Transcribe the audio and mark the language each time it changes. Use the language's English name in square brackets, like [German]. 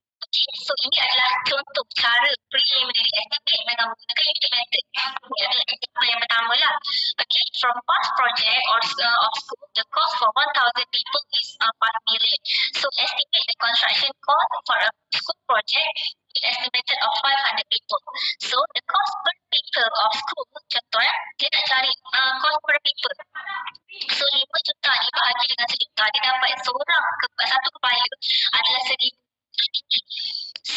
[Malay] Okay, so ini adalah contoh cara preliminary estimate dengan menggunakan unit method. Ini adalah contoh yang pertama lah. [English] Okay, from past project or of school, the cost for 1,000 people is 1 million. So estimate the construction cost for a school project is estimated of 500 people. So the cost per people of school, [Malay] contoh ya, dia nak cari [English] cost per people. [Malay] So 5 juta dibahagi dengan 1 juta, dia dapat seorang, satu kepala adalah 1,000.